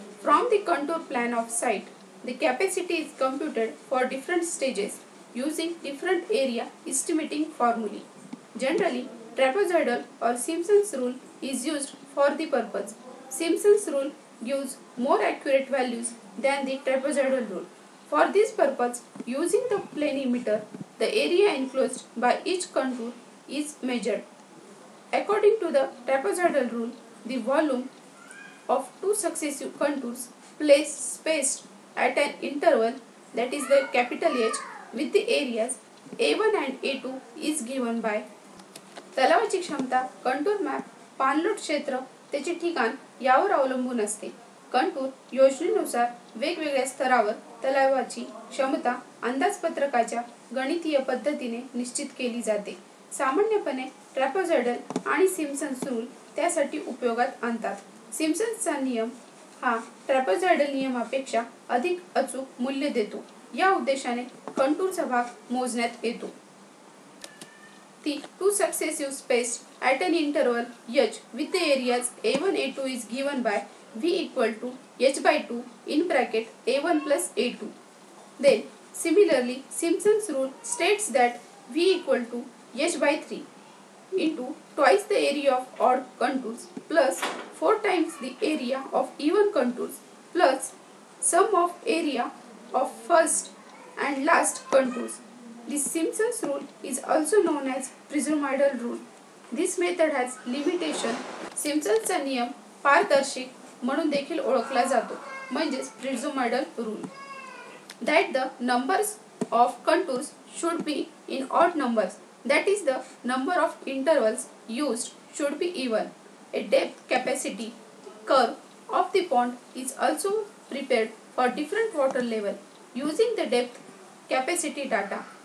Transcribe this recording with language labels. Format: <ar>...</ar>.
<en>From the contour plan of site the capacity is computed for different stages using different area estimating formulae. Generally trapezoidal or Simpson's rule is used for the purpose. Simpson's rule gives more accurate values than the trapezoidal rule. For this purpose using the planimeter the area enclosed by each contour is measured. According to the trapezoidal rule the volume of two successive contours place spaced at an interval that is the capital H with the areas A one and A two is given by.</en> <mr>तलावाची क्षमता, contour map, पाणलोट क्षेत्र, त्याचे ठिकाण यावर अवलंबून असते. Contour योजनेनुसार वेगवेगळ्या स्तरावर तलावाची क्षमता अंदाजपत्रकाच्या गणितीय पद्धतीने निश्चित केली जाते. सामान्यपणे ट्रॅपेझॉइडल आणि सिम्सन्स रूल त्यासाठी उपयोगात आणतात. सिम्सन्सचा नियम हा ट्रॅपेझॉइडल नियमापेक्षा अधिक अचूक मूल्य देतो. या उद्देशाने कंटूरचा भाग मोजण्यात येतो.</mr> <en>The two successive spaced at an interval h with the areas a1 a2 is given by v equal to h by 2 in bracket a1 plus a2. Then similarly Simpson's rule states that v equal to h by 3 into twice the area of odd contours plus 4 times the area of even contours plus sum of area of first and last contours. This Simpson's rule is also known as prismoidal rule. This method has limitation.</en> <mr>Simpson's नियम पारदर्शक म्हणून देखील ओळखला जातो, म्हणजे prismoidal rule.</mr> <en>That the numbers of contours should be in odd numbers. That is the number of intervals used should be even. A depth capacity curve of the pond is also prepared for different water level using the depth capacity data.</en>